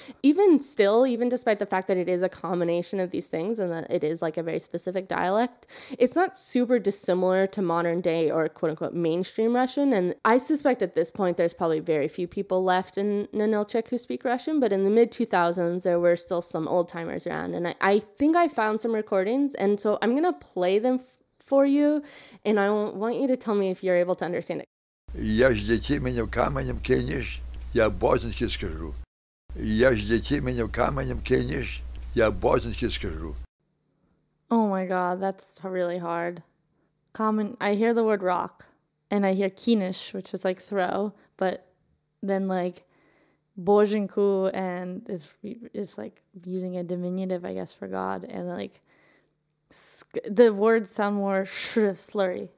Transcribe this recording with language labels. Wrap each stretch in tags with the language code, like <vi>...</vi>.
<en>Even despite the fact that it is a combination of these things and that it is, like, a very specific dialect, it's not super dissimilar to modern day or quote unquote mainstream Russian. And I suspect at this point, there's probably very few people left in Nanilchik who speak Russian. But in the mid 2000s, there were still some old timers around. And I think I found some recordings. And so I'm going to play them for you. And I want you to tell me if you're able to understand it.</en> <ru>Я ж дети меня каменем кинешь, я бозненьки скажу. Я ж дети меня каменем кинешь, я бозненьки скажу.</ru> <en>Oh my god, that's really hard. Камен, I hear the word rock, and I hear кинеш, which is like throw, but then like бозненьку, and it's like using a diminutive, I guess, for God, and like the words sound more slurry.</en>